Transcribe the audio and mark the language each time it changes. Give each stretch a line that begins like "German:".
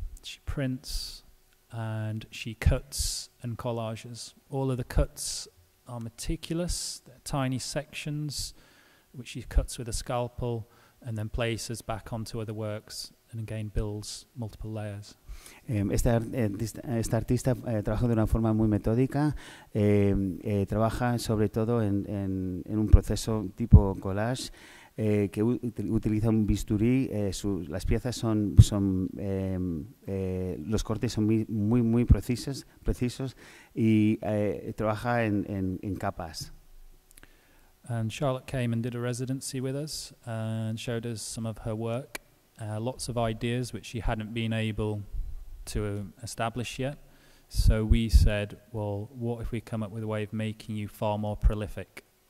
English: She prints and she cuts and collages. All of the cuts are meticulous. They're tiny sections which she cuts with a scalpel and then places back onto other works and again builds multiple layers.
Spanish: Esta artista trabaja de una forma muy metódica, trabaja sobre todo en un proceso tipo collage, que utiliza un bisturí, las piezas los cortes son muy, muy precisos y trabaja en capas.
English: And Charlotte came and did a residency with us and showed us some of her work, lots of ideas which she hadn't been able to establish yet. So we said, well, what if we come up with a way of making you far more prolific?